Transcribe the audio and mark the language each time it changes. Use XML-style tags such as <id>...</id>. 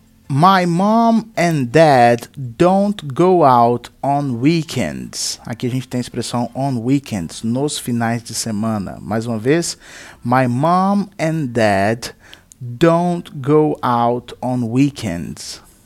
<en>My mom and dad don't go out on weekends.</en> <pt>Aqui a gente tem a expressão</pt> <en>on weekends,</en> <pt>nos finais de semana. Mais uma vez,</pt> <en>my mom and dad don't go out on weekends.</en>